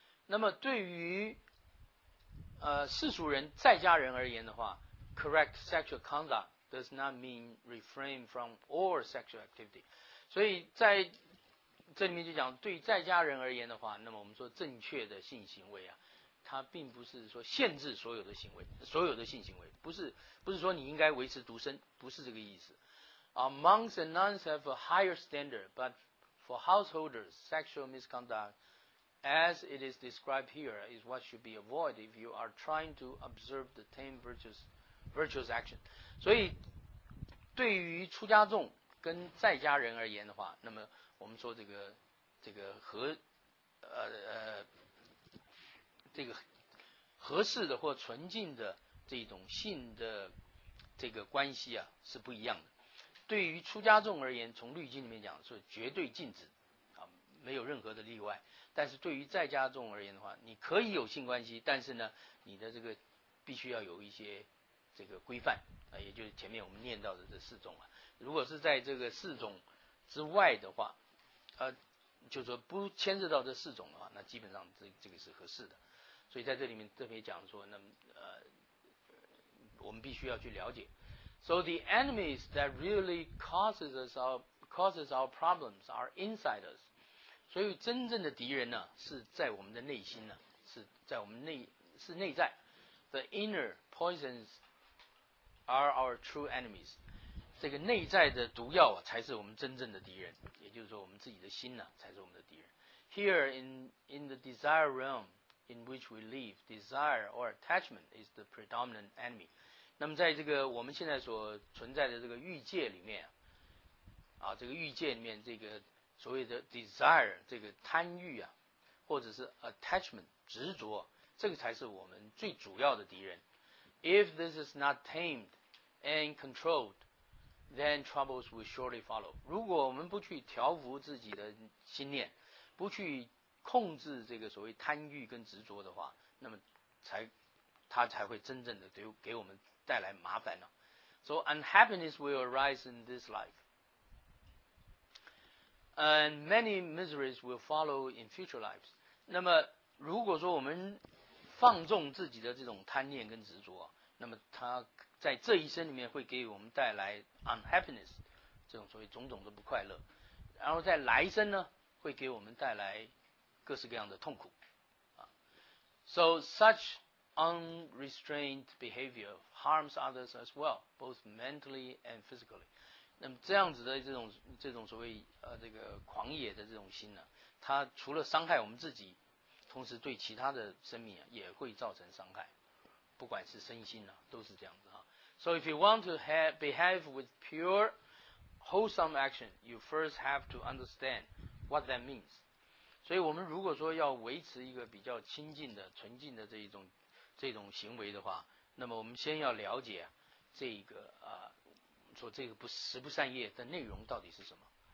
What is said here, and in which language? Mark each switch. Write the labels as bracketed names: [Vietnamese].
[Chinese] 那么对于世俗人在家人而言的话 [English] ，correct sexual conduct does not mean refrain from all sexual activity。 [Chinese] 所以在这里面就讲，对在家人而言的话，那么我们说正确的性行为啊，它并不是说限制所有的行为，所有的性行为，不是说你应该维持独身，不是这个意思。 [English] Among the nuns have a higher standard, but for householders, sexual misconduct. As it is described here, is what should be avoided if you are trying to observe the ten virtuous action. [Chinese] 所以，对于出家众跟在家人而言的话，那么我们说这个合适的或纯净的这种性的这个关系啊是不一样的。对于出家众而言，从律经里面讲是绝对禁止。没有任何的例外，但是对于在家众而言的话，你可以有性关系，但是呢，你的这个必须要有一些这个规范啊，也就是前面我们念到的这四种啊。如果是在这个四种之外的话，就是说不牵涉到这四种的话，那基本上这个是合适的。所以在这里面特别讲说，那么我们必须要去了解。 [English] So the enemies that really causes our problems are inside us. [Chinese] 所以真正的敌人呢，是在我们的内心呢，是在我们内在 [English] The inner poisons are our true enemies. [Chinese] 这个内在的毒药啊，才是我们真正的敌人，也就是说我们自己的心呢，才是我们的敌人。 [English] Here in the desire realm in which we live, desire or attachment is the predominant enemy. [Chinese] 那么在这个我们现在所存在的这个欲界里面啊，这个欲界里面这个所谓的 desire 这个贪欲啊，或者是 attachment 执着，这个才是我们最主要的敌人。 [English] If this is not tamed and controlled, then troubles will surely follow. [Chinese] 如果我们不去调伏自己的心念，不去控制这个所谓贪欲跟执着的话，那么它才会真正的给我们带来麻烦了。 [English] So unhappiness will arise in this lifeAnd many miseries will follow in future lives. [Chinese] 那么如果说我们放纵自己的这种贪念跟执着，那么它在这一生里面会给我们带来 unhappiness， 这种所谓种种的不快乐，然后在来生呢会给我们带来各式各样的痛苦。 [English] So such unrestrained behavior harms others as well, both mentally and physically. [Chinese] 那么这样子的这种所谓这个狂野的这种心呢，它除了伤害我们自己，同时对其他的生命啊也会造成伤害，不管是身心啊都是这样子啊。 [English] So if you want to behave with pure wholesome action, you first have to understand what that means. [Chinese] 所以我们如果说要维持一个比较清净的纯净的这种行为的话，那么我们先要了解这一个说这个不十不善业的内容到底是什么？